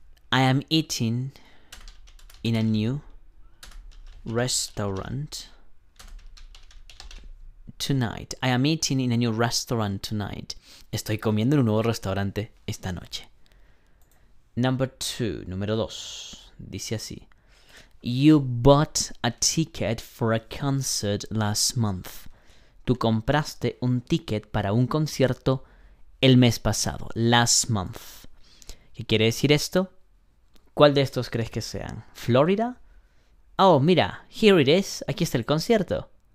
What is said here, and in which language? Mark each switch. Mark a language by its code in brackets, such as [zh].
[en] I am eating in a new restaurant tonight. I am eating in a new restaurant tonight. [es] Estoy comiendo en un nuevo restaurante esta noche. [en] Number two, [es] número dos, dice así. [en] You bought a ticket for a concert last month. [es] Tú compraste un ticket para un concierto el mes pasado, [en] last month. [es] ¿Qué quiere decir esto? ¿Cuál de estos crees que sean? ¿Florida? Oh, mira, [en] here it is. [es] Aquí está el concierto.